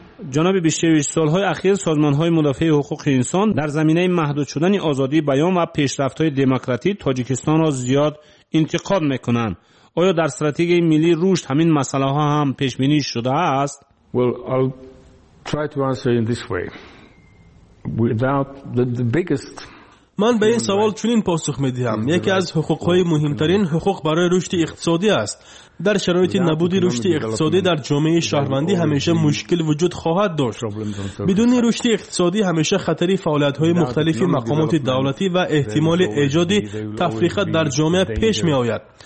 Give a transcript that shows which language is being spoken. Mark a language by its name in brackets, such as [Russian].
[Persian] جناب بیشویش، سالهای اخیر سازمان‌های مدافع حقوق انسان در زمینه محدود شدن آزادی بیان و پیشرفت‌های دموکراتی تاجیکستان را زیاد انتقاد می‌کنند. آیا در استراتژی ملی رشد همین مسئله‌ها هم پیش‌بینی شده است؟ [English] Well, I'll try to answer in this way. Without the biggest [Persian] من به این سوال چنین پاسخ می دهم. یکی از حقوق‌های مهمترین حقوق برای رشد اقتصادی است. در شرایط نبود رشد اقتصادی در جامعه شهروندی همیشه مشکل وجود خواهد داشت. بدون رشد اقتصادی همیشه خطری فعالیت‌های مختلف مقامات دولتی و احتمال ایجاد تفریقه در جامعه پیش می‌آید.